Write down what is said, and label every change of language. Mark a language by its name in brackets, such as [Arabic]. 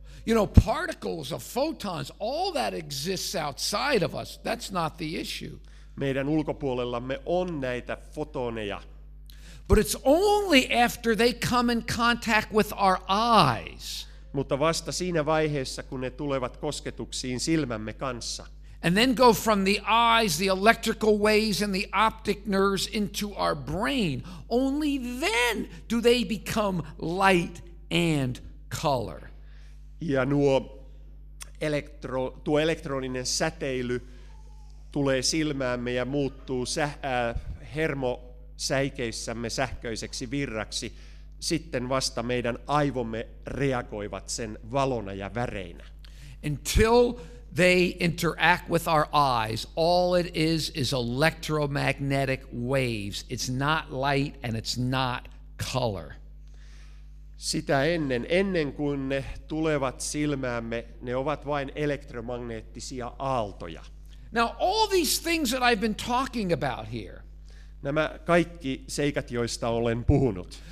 [English] You know, particles of photons, all that exists outside of us, that's not the issue. [Finnish] Meidän ulkopuolellamme on näitä fotoneja. [English] But it's only after they come in contact with our eyes. [Finnish] Mutta vasta siinä vaiheessa, kun ne tulevat kosketuksiin silmämme kanssa. [English] And then go from the eyes, the electrical waves and the optic nerves into our brain. Only then do they become light and color. [Finnish] Ja nuo tuo elektroninen säteily tulee silmäämme ja muuttuu hermosäikeissämme sähköiseksi virraksi. Sitten vasta meidän aivomme reagoivat sen valona ja väreinä. [English] Until they interact with our eyes, all it is electromagnetic waves. It's not light and it's not color. [Finnish] Sitä ennen kuin ne tulevat silmäämme, ne ovat vain elektromagneettisia aaltoja. [English] Now all these things that I've been talking about here. [Finnish] Nämä kaikki seikat, joista olen puhunut.